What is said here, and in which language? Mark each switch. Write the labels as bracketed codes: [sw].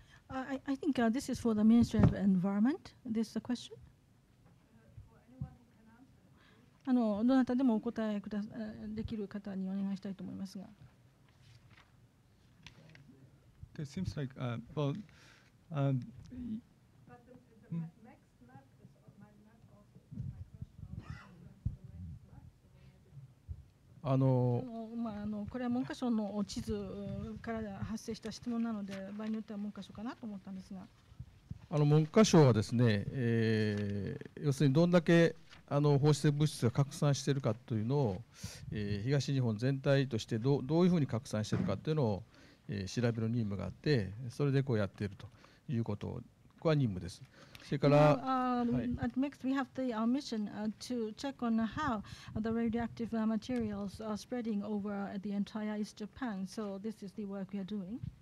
[en] I think this is for the Ministry of Environment. This is a question. [ja] どなたでもお答えできる方にお願いしたいと思いますが。 [en] It seems like, well, [ja] これは文科省の地図から発生した質問なので、場合によっては文科省かなと思ったんですが、文科省はですね、要するにどんだけ放射性物質が拡散しているかというのを、東日本全体としてどういうふうに拡散しているかというのを、調べる任務があって、それでこうやっているということ、ここは任務です。 [en] At MIXT, we have the mission to check on how the radioactive materials are spreading over the entire East Japan. So this is the work we are doing.